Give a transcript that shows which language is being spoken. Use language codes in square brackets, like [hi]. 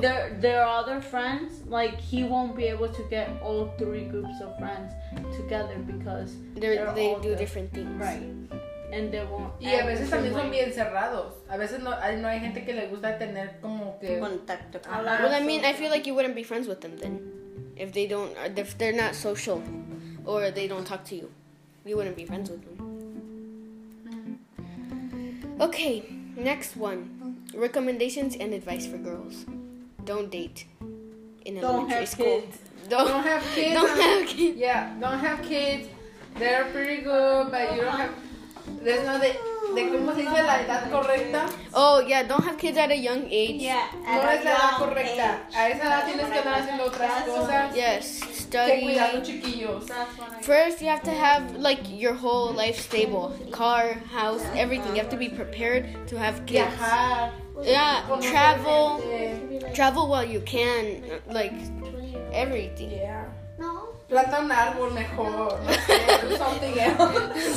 [en] There are other friends, like, he won't be able to get all three groups of friends together because... They do different things. Right. And they won't... [es] Y a veces también son bien cerrados. A veces no hay gente que le gusta tener como que... Contacto. [en] Well, I mean, I feel like you wouldn't be friends with them then. If they don't... If they're not social or they don't talk to you. You wouldn't be friends with them. Okay, next one. Recommendations and advice for girls. Don't date in elementary school. Don't have kids. Don't have kids. Yeah, don't have kids. They're pretty good, but you don't have... There's no... [es] De cómo se dice la edad correcta. [en] Oh, yeah, don't have kids at a young age. Yeah, [es] no es la edad correcta. [en] Age. [es] A esa edad tienes que estar haciendo otras cosas. [en] Yes. Study. First, you have to have like your whole life stable, car, house, everything. You have to be prepared to have kids. Yeah, travel while you can, like everything. Yeah. No. Plant an [es] árbol mejor. [en] Something else.